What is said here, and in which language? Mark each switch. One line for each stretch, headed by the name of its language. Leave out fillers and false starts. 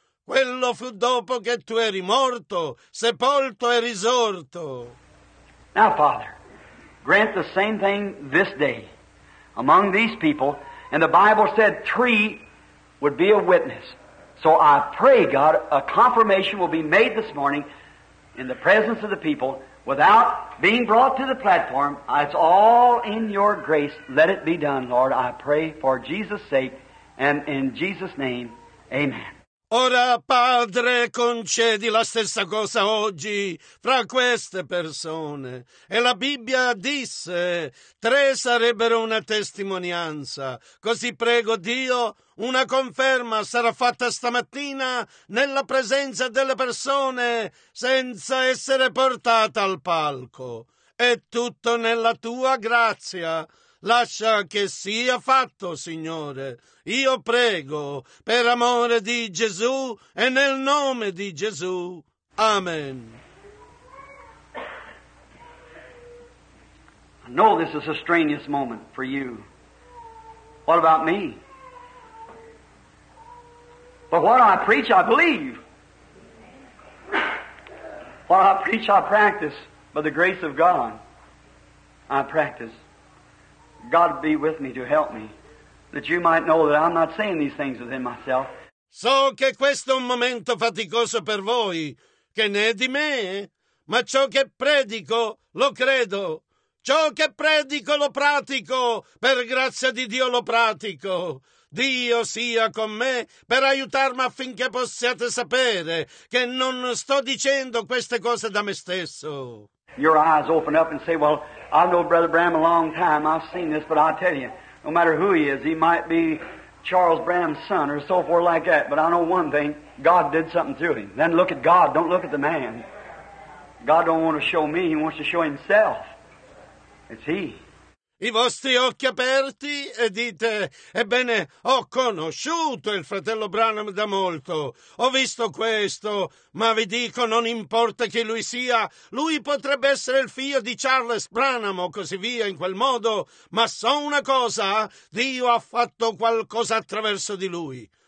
Italian: Quello fu dopo che tu eri morto, sepolto e risorto.
English: Now, Father, grant the same thing this day among these people. And the Bible said 3 would be a witness. So I pray, God, a confirmation will be made this morning in the presence of the people without being brought to the platform. It's all in your grace. Let it be done, Lord. I pray for Jesus' sake and in Jesus' name. Amen.
Italian: Ora, Padre, concedi la stessa cosa oggi fra queste persone. E la Bibbia disse, 3 sarebbero una testimonianza. Così prego Dio, una conferma sarà fatta stamattina nella presenza delle persone senza essere portata al palco. È tutto nella tua grazia. Lascia che sia fatto, Signore. Io prego per amore di Gesù e nel nome di Gesù. Amen.
English: I know this is a strenuous moment for you. What about me? But what I preach, I believe. What I preach, I practice. By the grace of God, I practice. God be with me to help me, that you might know that I'm not saying these things within myself.
Italian: So che questo è un momento faticoso per voi, che ne è di me, ma ciò che predico lo credo. Ciò che predico lo pratico, per grazia di Dio lo pratico. Dio sia con me per aiutarmi affinché possiate sapere che non sto dicendo queste cose da me stesso.
English: Your eyes open up and say, well, I know Brother Branham a long time. I've seen this, but I tell you, no matter who he is, he might be Charles Branham's son or so forth like that, but I know one thing, God did something through him. Then look at God, don't look at the man. God don't want to show me, he wants to show himself. It's he.
Italian: I vostri occhi aperti e dite, ebbene, ho conosciuto il fratello Branham da molto, ho visto questo, ma vi dico, non importa chi lui sia, lui potrebbe essere il figlio di Charles Branham o così via in quel modo, ma so una cosa, Dio ha fatto qualcosa attraverso di lui.